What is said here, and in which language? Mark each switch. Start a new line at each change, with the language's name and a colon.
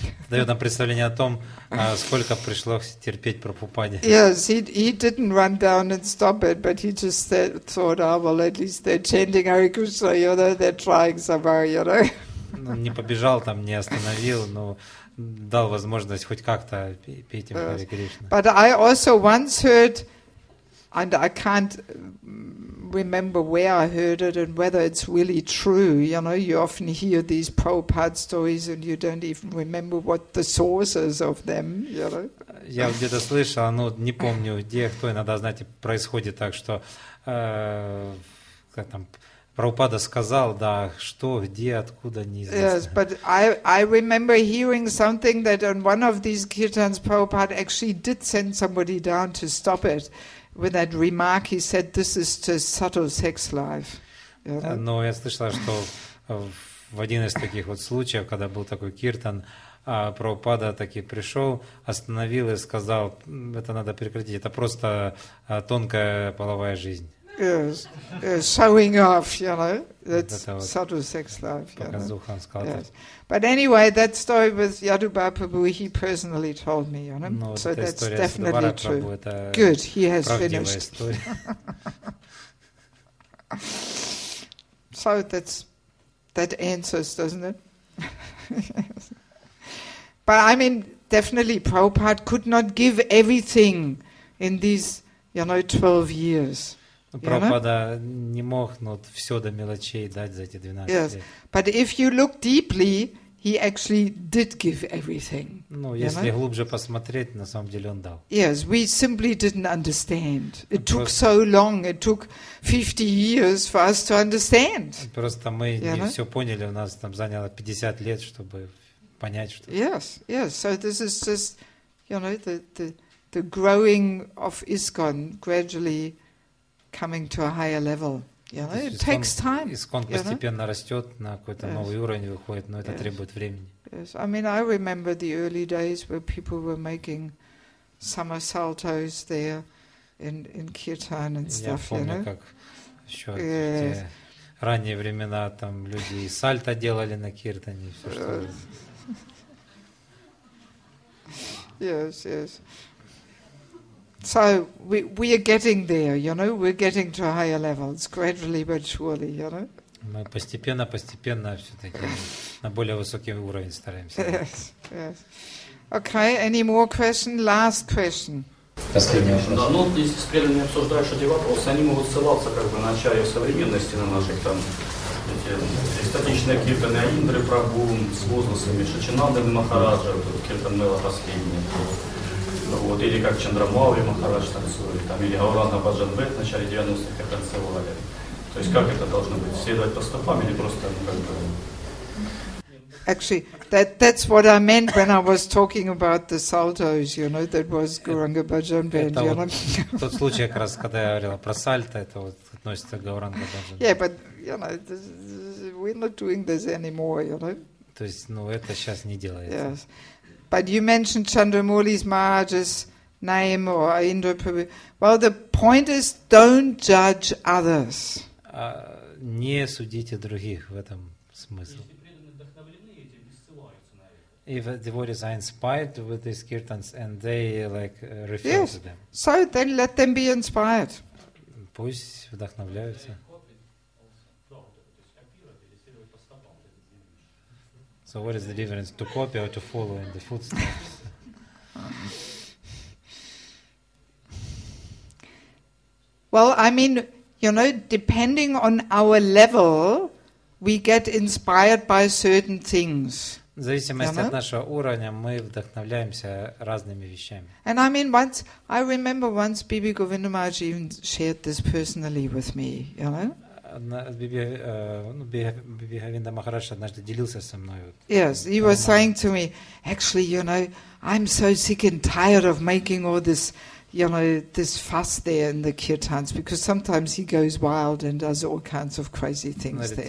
Russian: Дает нам представление о том, сколько пришлось терпеть Прабхупаде.
English: Yes, he didn't run down and stop it, but he just said, thought, oh, well, at least they're chanting Hare Krishna, you know, they're trying somehow, you know.
Russian: Он не побежал там, не остановил, но дал возможность хоть как-то петь им Hare Krishna.
English: But I also once heard, and I can't remember where I heard it and whether it's really true. You know, you often hear these Prabhupada stories and you don't even remember what the sources of them, you know.
Russian: Я где-то слышал, но не помню где, кто. Иногда, знаете, происходит так, что там Прабхупада сказал, да, что, где, откуда, неизвестно.
English: Yes, but I remember hearing something that on one of these kirtans Prabhupada actually did send somebody down to stop it. With that remark, he said, "This is just subtle sex life."
Russian: Но я слышала, что в один из таких вот случаев, когда был такой киртан, Прабхупада таки пришел, остановил и сказал, "Это надо прекратить. Это просто тонкая половая жизнь."
English: Yes, showing off, you know, that's subtle sex life.
Russian: Показуха, он сказал.
English: Yes. But anyway, that story with Yadubar Prabhu, he personally told me, you know?
Russian: Но
English: so that's definitely true.
Russian: Прабу,
English: good, he has finished. So that answers, doesn't it? But I mean, definitely Prabhupada could not give everything in these, you know, 12 years.
Russian: Прабхупада не мог, но все до мелочей дать за эти 12 лет.
English: But if you look deeply, He actually did give everything.
Russian: Ну, если глубже посмотреть, на самом деле он дал.
English: Yes, we simply didn't understand. It took so long. It took 50 years for us to understand.
Russian: Просто мы не все поняли. У нас там заняло 50 лет, чтобы понять что.
English: Yes, yes. So this is just, you know, the growing of ISKCON gradually coming to a higher level. Yeah, it takes time.
Russian: ИСККОН постепенно растет на какой-то новый уровень выходит, но это требует времени.
English: Yes, I mean, I remember the early days where people were making somersaults there in Kirtan and stuff.
Russian: Я помню, как еще в те ранние времена там люди и сальто делали на Киртане, все что.
English: Yes, yes. So we are getting there, you know. We're getting to a higher level. It's gradually but surely, you know.
Russian: Мы постепенно все-таки на более высокий уровень стараемся.
English: Yes, yes. Okay. Any more question? Last question.
Russian: Последний вопрос. Да, ну если с преданными обсуждаешь эти вопросы, они могут ссылаться как бы на ачарьев современности, на наших там эти эстетичные киртаны Аиндры Прабу с возгласами Шачинанды Махараджа, киртан Мела последний. Вот, или как Чандрамаури Махарадж танцует, там, или Гауранга Баджанбет в начале 90-х танцевали. То есть как это должно быть? Следовать по стопам или просто ну, как бы.
English: Actually, that's what I meant when I was talking about the saltos, you know, that was Gauranga Bhajan Band.
Russian: Это вот тот случай, как раз, когда я говорила про сальто, это вот относится к Гауранга Бхаджан Бэнд.
English: Yeah, but, you know, this, we're not doing this anymore, you know.
Russian: То есть, ну, это сейчас не делается.
English: Yes. But you mentioned Chandramouli Maharaj's name or Indra Prabhu. Well, the point is, don't judge others.
Russian: Не судите других в этом смысле.
English: If the devotees are inspired with these kirtans and they like refer yes. to them. So then let them be inspired.
Russian: Пусть вдохновляются.
English: So what is the difference? To copy or to follow in the footsteps? Well, I mean, you know, depending on our level, we get inspired by certain things.
Russian: В зависимости от нашего уровня мы вдохновляемся разными вещами.
English: And I mean, once I remember once Bibi Govinda Maharaj even shared this personally with me, you know.
Russian: Биби Говинда Махарадж однажды делился со мной.
English: Yes, he was saying to me, actually, you know, I'm so sick and tired of making all this, you know, this fuss there in the kirtans, because sometimes he goes wild and does all kinds of crazy things there.